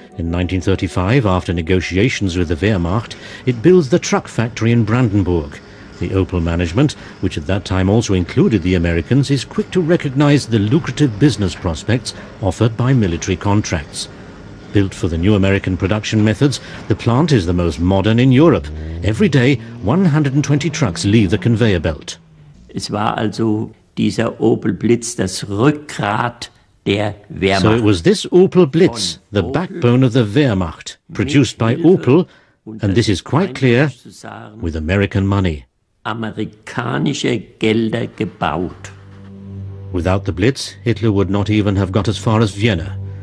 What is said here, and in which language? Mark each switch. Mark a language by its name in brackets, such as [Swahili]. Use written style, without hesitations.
[English] In 1935, after negotiations with the Wehrmacht, it builds the truck factory in Brandenburg. The Opel management, which at that time also included the Americans, is quick to recognize the lucrative business prospects offered by military contracts. Built for the new American production methods, the plant is the most modern in Europe. Every day, 120 trucks leave the conveyor belt. [German] Es war also dieser Opel Blitz das Rückgrat der Wehrmacht. [English] So it was this Opel Blitz, the backbone of the Wehrmacht, produced by Opel, and this is quite clear, with American money. [German] Amerikanische Gelder gebaut. [English] Without the Blitz, Hitler would not even have got as far as Vienna.